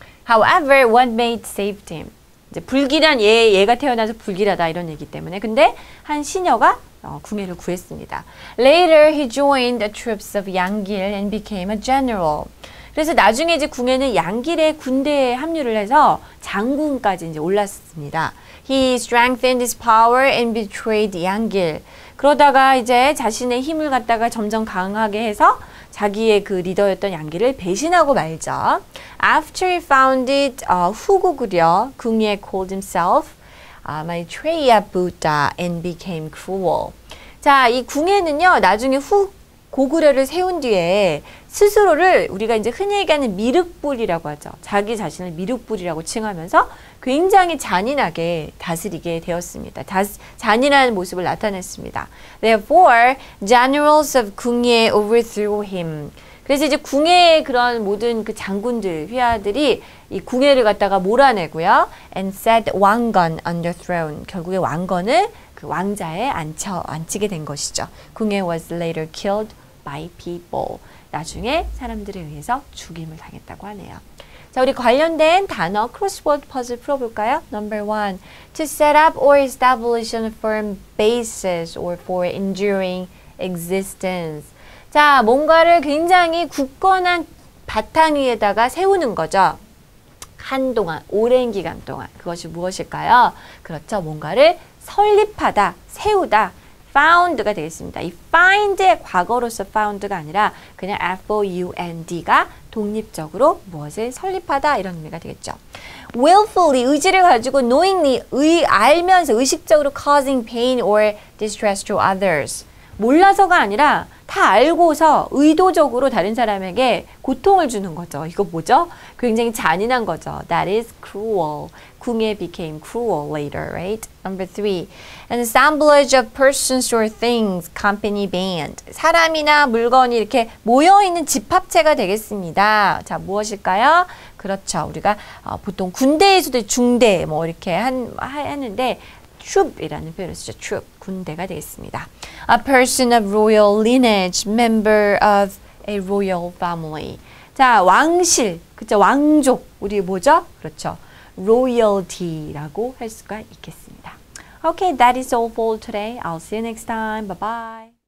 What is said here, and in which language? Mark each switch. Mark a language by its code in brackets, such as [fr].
[en] However, one maid saved him. [ko] 이제 불길한 얘가 태어나서 불길하다 이런 얘기 때문에 근데 한 시녀가 궁예를 구했습니다. [en] Later, he joined the troops of 양길 and became a general. [ko] 그래서 나중에 이제 궁예는 양길의 군대에 합류를 해서 장군까지 이제 올랐습니다. [en] He strengthened his power and betrayed 양길. [ko] 그러다가 이제 자신의 힘을 갖다가 점점 강하게 해서 자기의 그 리더였던 양길을 배신하고 말죠. [en] After he founded 후국으려, 궁예 called himself Maitreya Buddha and became cruel. [ko] 자, 이 궁예는요, 나중에 고구려를 세운 뒤에 스스로를 우리가 이제 흔히 얘기하는 미륵불이라고 하죠. 자기 자신을 미륵불이라고 칭하면서 굉장히 잔인하게 다스리게 되었습니다. 잔인한 모습을 나타냈습니다. [en] Therefore, generals of 궁예 overthrew him. [ko] 그래서 이제 궁예의 그런 모든 그 장군들, 휘하들이 이 궁예를 갖다가 몰아내고요. [en] And set 왕건 under throne. [ko] 결국에 왕건을 그 왕좌에 앉히게 된 것이죠. [en] 궁예 was later killed by people. [ko] 나중에 사람들에 의해서 죽임을 당했다고 하네요. 자, 우리 관련된 단어 크로스워드 퍼즐 풀어볼까요? [en] Number one, to set up or establish a firm basis or for enduring existence. [ko] 자, 뭔가를 굉장히 굳건한 바탕 위에다가 세우는 거죠. 한동안, 오랜 기간 동안. 그것이 무엇일까요? 그렇죠. 뭔가를 설립하다, 세우다. found가 되겠습니다. 이 find의 과거로서 found가 아니라 그냥 F-O-U-N-D가 독립적으로 무엇을 설립하다 이런 의미가 되겠죠. [en] willfully, [ko] 의지를 가지고 [en] knowingly, [ko] 알면서 의식적으로 [en] causing pain or distress to others. [ko] 몰라서가 아니라 다 알고서 의도적으로 다른 사람에게 고통을 주는 거죠. 이거 뭐죠? 굉장히 잔인한 거죠. [en] That is cruel. 궁예 became cruel later, right? Number three, an assemblage of persons or things, company band. [ko] 사람이나 물건이 이렇게 모여있는 집합체가 되겠습니다. 자, 무엇일까요? 그렇죠. 우리가 보통 군대에서도 중대 뭐 이렇게 하는데 troop이라는 표현을 쓰죠. troop, 군대가 되겠습니다. [en] A person of royal lineage, member of a royal family. [ko] 자, 왕실, 그렇죠? 왕족, 우리 뭐죠? 그렇죠. royalty라고 할 수가 있겠습니다. [en] Okay, that is all for today. I'll see you next time. Bye-bye.